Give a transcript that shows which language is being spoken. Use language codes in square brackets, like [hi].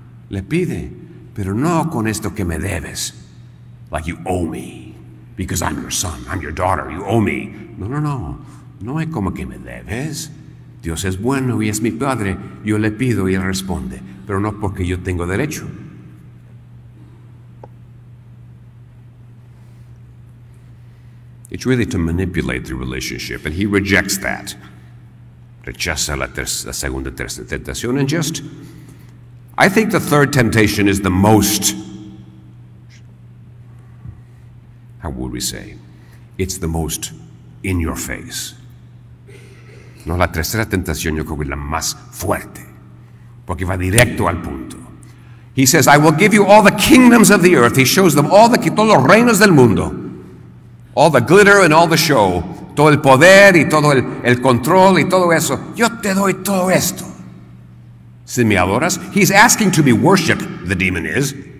[es] Le pide, pero no con esto que me debes. [en] Like you owe me, because I'm your son, I'm your daughter, you owe me. [es] No, no, no. No es como que me debes. Dios es bueno y es mi padre. Yo le pido y él responde, pero no porque yo tengo derecho. [en] It's really to manipulate the relationship, and he rejects that. [es] Rechaza la segunda tentación, [en] and just, I think the third temptation is the most, how would we say, it's the most in your face. [es] No, la tercera tentación yo creo que es la más fuerte, porque va directo al punto. [en] He says, I will give you all the kingdoms of the earth. He shows them all the, [es] todos los reinos del mundo, [en] all the glitter and all the show, [es] todo el poder y todo el control y todo eso. Yo te doy todo esto. Si me adoras, [en] he's asking to be worshipped, the demon is.